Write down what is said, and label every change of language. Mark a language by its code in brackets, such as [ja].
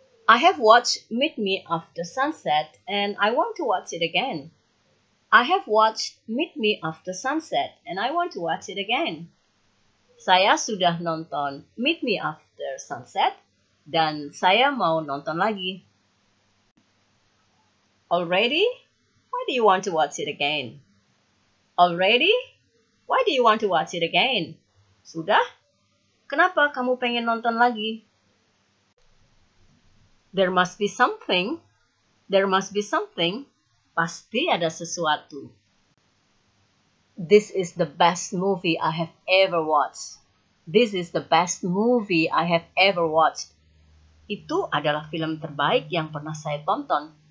[en] I have watched Meet Me After Sunset and I want to watch it again. I have watched Meet Me After Sunset and I want to watch it again. [id] Saya sudah nonton Meet Me After Sunset dan saya mau nonton lagi. [en] Already? Why do you want to watch it again? Already? Why do you want to watch it again? [id] Sudah? Kenapa kamu pengen nonton lagi? [en] There must be something. There must be something. [id] Pasti ada sesuatu. [en] This is the best movie I have ever watched. This is the best movie I have ever watched. [id] Itu adalah film terbaik yang pernah saya tonton.